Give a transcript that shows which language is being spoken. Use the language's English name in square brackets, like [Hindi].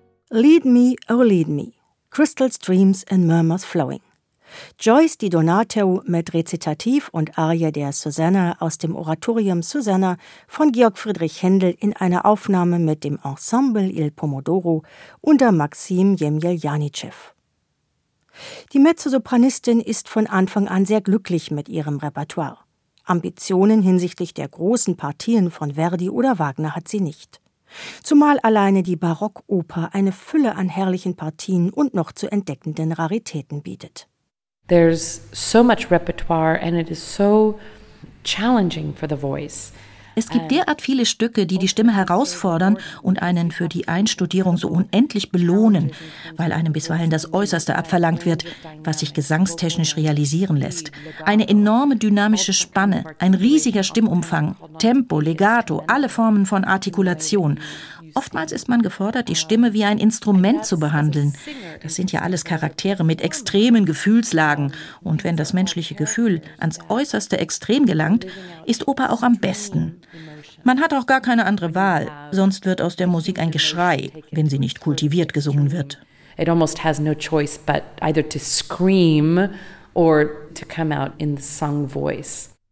[English] Lead me, oh lead me, crystal streams and murmurs flowing. [German] Joyce DiDonato mit Rezitativ und Arie der Susanna aus dem Oratorium Susanna von Georg Friedrich Händel in einer Aufnahme mit dem Ensemble Il Pomodoro unter Maxim Jemjeljanicev. Die Mezzosopranistin ist von Anfang an sehr glücklich mit ihrem Repertoire. Ambitionen hinsichtlich der großen Partien von Verdi oder Wagner hat sie nicht. Zumal alleine die Barockoper eine Fülle an herrlichen Partien und noch zu entdeckenden Raritäten bietet. [English] There's so much repertoire and it is so challenging for the voice. [German] Es gibt derart viele Stücke, die die Stimme herausfordern und einen für die Einstudierung so unendlich belohnen, weil einem bisweilen das Äußerste abverlangt wird, was sich gesangstechnisch realisieren lässt. Eine enorme dynamische Spanne, ein riesiger Stimmumfang, Tempo, Legato, alle Formen von Artikulation. Oftmals ist man gefordert, die Stimme wie ein Instrument zu behandeln. Das sind ja alles Charaktere mit extremen Gefühlslagen. Und wenn das menschliche Gefühl ans äußerste Extrem gelangt, ist Oper auch am besten. Man hat auch gar keine andere Wahl, sonst wird aus der Musik ein Geschrei, wenn sie nicht kultiviert gesungen wird. [English] It almost has no choice but either to scream or to come out in the sung voice.